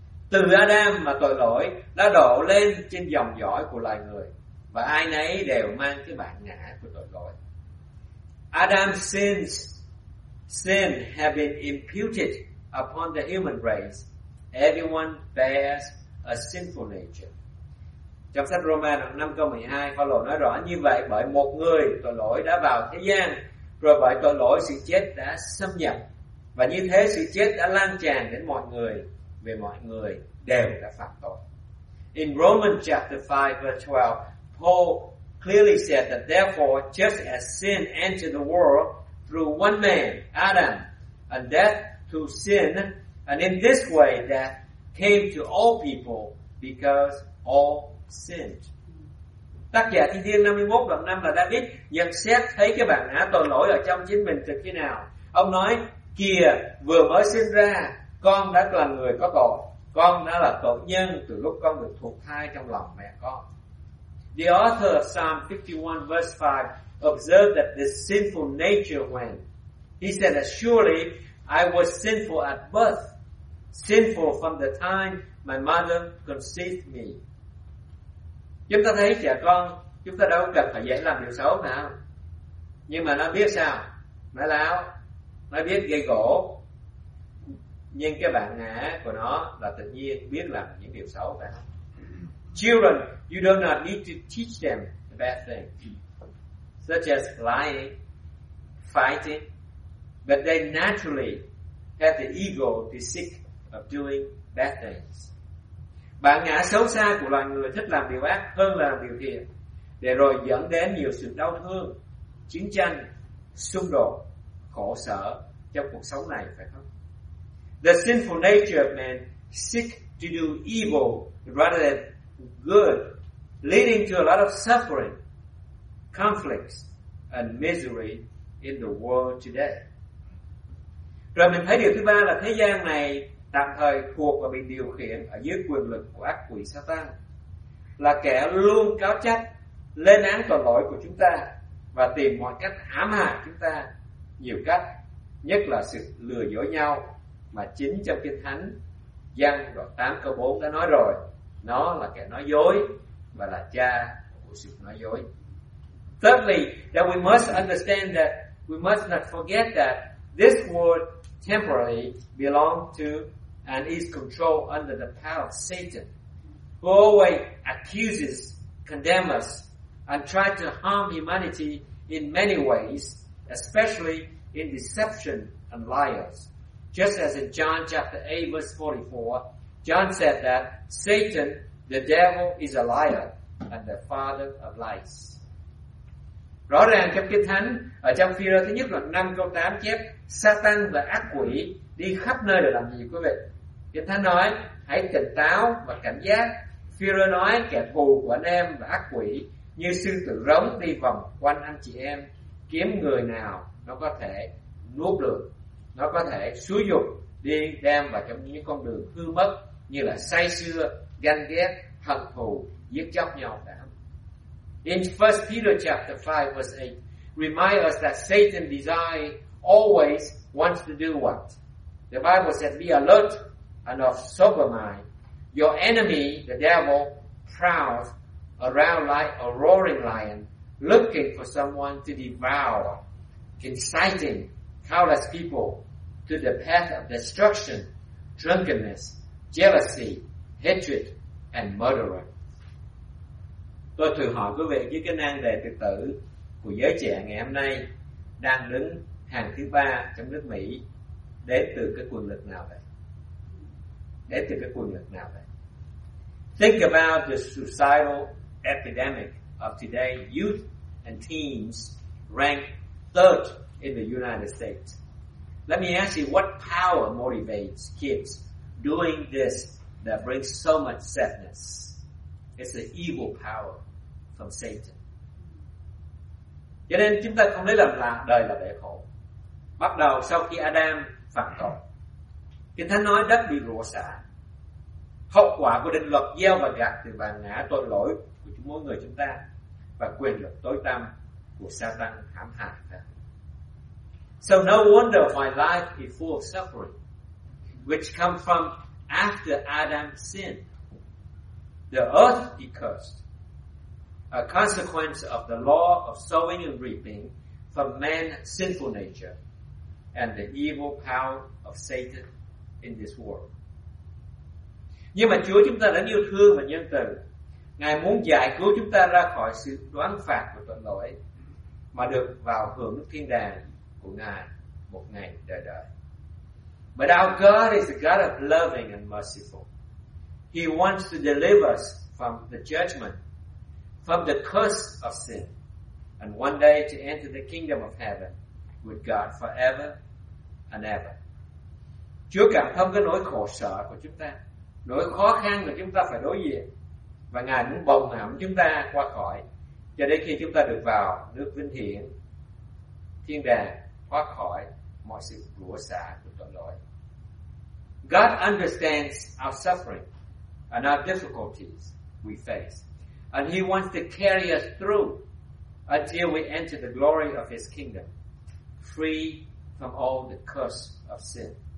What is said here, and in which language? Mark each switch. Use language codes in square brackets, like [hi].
[vi] Từ Adam mà tội lỗi đã đổ lên trên dòng dõi của loài người, và ai nấy đều mang cái bản ngã của tội lỗi. [en] Adam's sin have been imputed upon the human race. Everyone bears a sinful nature. [vi] Trong sách Roma 5 câu 12, Phaolô nói rõ như vậy: bởi một người tội lỗi đã vào thế gian, rồi bởi tội lỗi sự chết đã xâm nhập, và như thế sự chết đã lan tràn đến mọi người, vì mọi người đều đã phạm tội. [en] In Romans chapter 5 verse 12, Paul clearly said that therefore, just as sin entered the world through one man, Adam, and death through sin, and in this way death came to all people because all sinned. [vi] Tác giả Thi Thiên 51 đoạn 5 là David nhận xét thấy cái bản ngã tội lỗi ở trong chính mình từ khi nào. Ông nói, kìa vừa mới sinh ra, con đã là người có tội. Con đã là tội nhân từ lúc con được thụ thai trong lòng mẹ con. [en] The author of Psalm 51 verse 5 observed that this sinful nature went. He said that surely I was sinful at birth, sinful from the time my mother conceived me. [vi] Chúng ta thấy trẻ con, chúng ta đâu cần phải dạy làm điều xấu mà. Nhưng mà nó biết sao? Nó láo, nó biết gây gỗ. Nhưng cái bản ngã của nó là tự nhiên biết làm những điều xấu phải không? [en] Children, you do not need to teach them the bad things, such as lying, fighting, but they naturally have the ego to seek of doing bad things. [vi] Bản ngã xấu xa của loài người thích làm điều ác hơn là làm điều thiện, để rồi dẫn đến nhiều sự đau thương, chiến tranh, xung đột, khổ sở trong cuộc sống này phải không? [en] The sinful nature of man seeks to do evil rather than good, leading to a lot of suffering, conflicts, and misery in the world today. [vi] Rồi mình thấy điều thứ ba là thế gian này tạm thời thuộc và bị điều khiển ở dưới quyền lực của ác quỷ Satan, là kẻ luôn cáo trách, lên án tội lỗi của chúng ta và tìm mọi cách hãm hại chúng ta nhiều cách, nhất là sự lừa dối nhau mà chính trong Kinh Thánh Giăng đoạn 8 câu 4 đã nói rồi, nó là kẻ nói dối và là cha của sự nói dối. [en] Thirdly, that we must understand that we must not forget that this world temporarily belongs to and is controlled under the power of Satan, who always accuses, condemns us, and tries to harm humanity in many ways, especially in deception and liars. Just as in John chapter 8 verse 44, John said that Satan, the devil, is a liar and the father of lies. [vi] Rõ ràng trong Kinh Thánh, ở trong Phi-rơ thứ nhất là 5 câu 8 chép, Satan và ác quỷ đi khắp nơi để làm gì quý vị? Kinh Thánh nói, hãy tỉnh táo và cảnh giác. Phi-rơ nói, kẻ thù của anh em và ác quỷ như sư tử rống đi vòng quanh anh chị em, kiếm người nào nó có thể nuốt được. Nó có thể xúi dục đi đem vào trong những con đường hư mất như là say sưa, ganh ghét, hận thù, giết chóc nhau cả. [en] In 1 Peter chapter 5 verse 8 remind us that Satan desire always wants to do what? The Bible said, be alert and of sober mind. Your enemy, the devil, prowls around like a roaring lion looking for someone to devour, inciting countless people to the path of destruction, drunkenness, jealousy, hatred, and murder. [vi] Tôi thường hỏi quý vị với cái nan đề tự tử của giới trẻ ngày hôm nay đang đứng hàng thứ ba trong nước Mỹ đến từ cái quyền lực nào vậy? Đến từ cái quyền lực nào vậy? [en] Think about the suicidal epidemic of today. Youth and teens rank third in the United States. Let me ask you, what power motivates kids doing this that brings so much sadness? It's the evil power from Satan. [vi] Cho nên chúng ta không lấy làm lạ, đời là bể khổ. Bắt đầu sau khi Adam phạm tội, Kinh Thánh nói đất bị rủa xả. Hậu quả của định luật gieo và gặt từ bản ngã tội lỗi của mỗi người chúng ta và quyền lực tối tăm của Satan hãm hại. [en] So no wonder why life is full of suffering, which comes from after Adam's sin. The earth is cursed, a consequence of the law of sowing and reaping from man's sinful nature and the evil power of Satan in this world. [vi] Nhưng mà Chúa chúng ta đã yêu thương và nhân từ. Ngài muốn giải cứu chúng ta ra khỏi sự đoán phạt của tội lỗi mà được vào hưởng thiên đàng của Ngài một ngày đời đời. [en] But our God is a God of loving and merciful. He wants to deliver us from the judgment, from the curse of sin, and one day to enter the kingdom of heaven with God forever and ever. [vi] Chúa cảm thông cái nỗi khổ sở của chúng ta, nỗi khó khăn mà chúng ta phải đối diện, và Ngài muốn bồng hãm chúng ta qua khỏi cho đến khi chúng ta được vào nước vinh hiển, thiên đàng, thoát khỏi mọi sự rủa xả của tội lỗi. [en] God understands our suffering and our difficulties we face, and He wants to carry us through until we enter the glory of His kingdom, free from all the curse of sin.